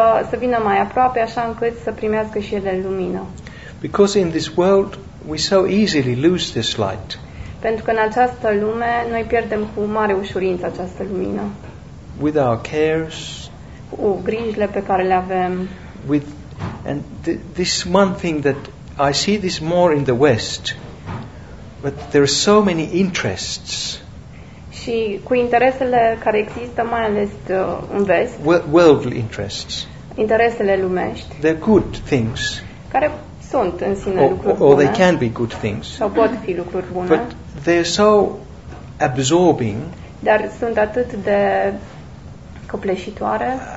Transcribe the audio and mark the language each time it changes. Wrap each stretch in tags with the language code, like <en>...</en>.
<ro>Să vină mai aproape așa încât să primească și ele lumină.</ro> <en>Because in this world we so easily lose this light.</en> <ro>Pentru că în această lume noi pierdem cu mare ușurință această lumină.</ro> <en>With our cares,</en> <ro>cu grijile pe care le avem.</ro> <en>With and this one thing that I see this more in the West, but there are so many interests.</en> <ro>Și cu interesele care există mai ales în vest.</ro> <en>Worldly interests.</en> <ro>Interesele lumești.</ro> <en>They're good things.</en> <ro>Care sunt în sine</ro> <en>or,</en> <ro>lucruri bune.</ro> <en>Or they can be good things.</en> <ro>Sau pot fi lucruri bune.</ro> <en>But they're so absorbing.</en> <ro>Dar sunt atât de copleșitoare.</ro>